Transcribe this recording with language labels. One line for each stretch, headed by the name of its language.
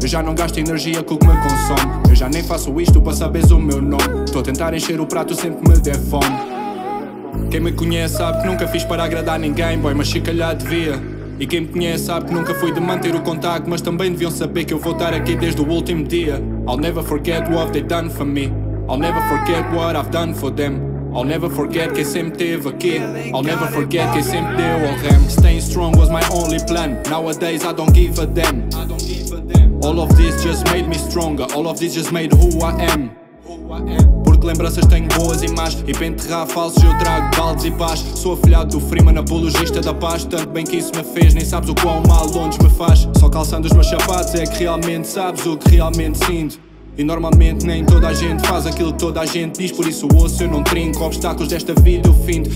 Portuguese: Eu já não gasto energia com o que me consome. Eu já nem faço isto para saberes o meu nome. Estou a tentar encher o prato, sempre me der fome. Quem me conhece sabe que nunca fiz para agradar ninguém, boy, mas se calhar devia. E quem me conhece sabe que nunca fui de manter o contacto, mas também deviam saber que eu vou estar aqui desde o último dia.
English: I'll never forget what they done for me. I'll never forget what I've done for them. I'll never forget
Portuguese: quem sempre teve aqui.
English: I'll never forget
Portuguese: quem sempre deu ao rem.
English: Staying strong was my only plan. Nowadays I don't give a damn. All of this just made me stronger. All of this just made who I am.
Portuguese: Porque lembranças tenho boas e más. E para enterrar falsos eu trago baldes e paz. Sou afilhado do Freeman, apologista da paz. Tanto bem que isso me fez, nem sabes o quão mal longe me faz. Só calçando os meus sapatos é que realmente sabes o que realmente sinto. E normalmente nem toda a gente faz aquilo que toda a gente diz. Por isso ouço, eu não trinco obstáculos desta vida, eu findo.